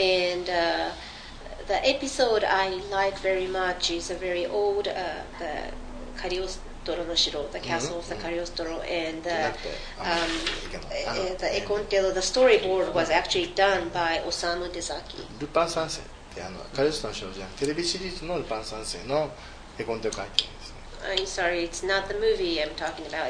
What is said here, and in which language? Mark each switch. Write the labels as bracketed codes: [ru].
[en] and、the episode I like very much is a very old, the Cariostro no Shiro, the castle of the Cariostro, and the エコンテ the storyboard was actually done by Osamu Dezaki. [ja] ルパン三世ってあのカリオストロの城じゃん。テレビシリーズのルパン三世の絵コンテを描いてるんですね。 [en] I'm sorry, it's not the movie I'm talking about.